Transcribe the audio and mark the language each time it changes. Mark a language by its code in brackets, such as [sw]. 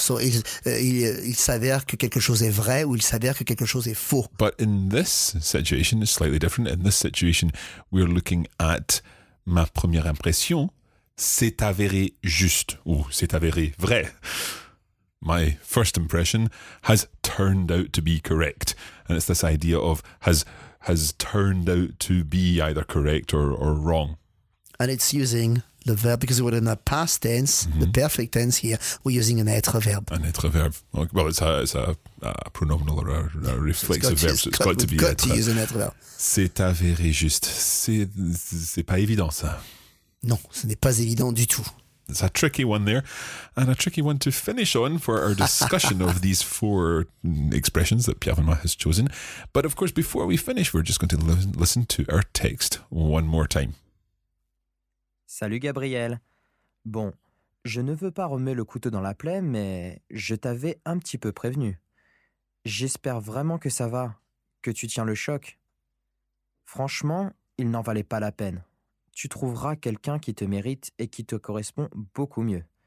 [fr] So il s'avère que quelque chose est vrai ou il s'avère que quelque chose est faux. [en] But in this situation, it's slightly different. In this situation, we're looking at [fr] ma première impression s'est avérée juste ou s'est avérée vrai. [en] My first impression has turned out to be correct. And it's this idea of has turned out to be either correct or wrong. And it's using the verb, because we're in the past tense, mm-hmm. the perfect tense here, we're using an être verbe. An être verbe. Well, it's a pronominal or a reflexive verb, so we've got to use an être verbe. [fr] C'est avéré juste. C'est pas évident, ça. Non, ce n'est pas évident du tout. [en] It's a tricky one there, and a tricky one to finish on for our discussion of these four expressions that Pierre Vanma has chosen. But of course, before we finish, we're just going to listen to our text one more time. [fr] Salut Gabriel. Bon, je ne veux pas remettre le couteau dans la plaie, mais je t'avais un petit peu prévenu. J'espère vraiment que ça va, que tu tiens le choc. Franchement, il n'en valait pas la peine. Tu trouveras quelqu'un qui te mérite et qui te correspond beaucoup mieux.